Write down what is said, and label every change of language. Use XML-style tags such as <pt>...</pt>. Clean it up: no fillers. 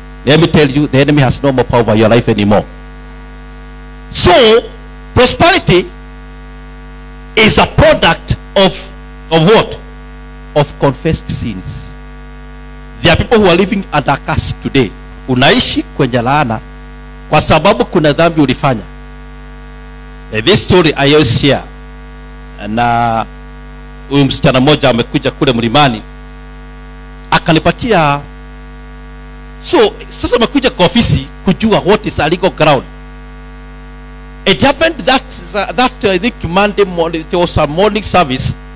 <en>Let me tell you, the enemy has no more power over your life anymore. So, prosperity is a product of what? Of confessed sins. There are people who are living under a curse today.</en> <sw>Unaishi kwenye laana kwa sababu kuna dhambi ulifanya.</sw> <en>This story I always share.</en> <sw>Na huyu msichana mmoja amekuja kule mlimani, akanipatia. So sasa amekuja kwa ofisi kujua</sw> <en>what is a legal ground. It happened that I think Monday morning, it was a morning service.</en>